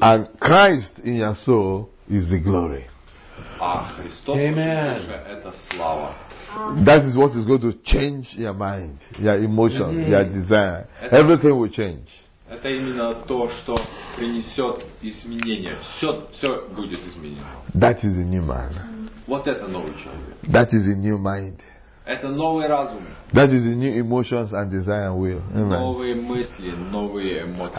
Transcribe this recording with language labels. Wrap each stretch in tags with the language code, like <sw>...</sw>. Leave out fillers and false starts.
<en>And Christ in your soul is the glory.</en> <ru>А Христос в вашей душе — это слава.</ru> <en>That is what is going to change your mind, your emotion, your desire. Everything will change.</en> <ru>Это именно то, что принесет изменения. Все будет изменено.</ru> <en>That is a new man.</en> <ru>Вот это новый человек.</ru> <en>That is a new mind.</en> <ru>Это новый разум.</ru> <en>That is the new emotions and desire and will. Amen.</en> <ru>Новые мысли, новые эмоции.</ru>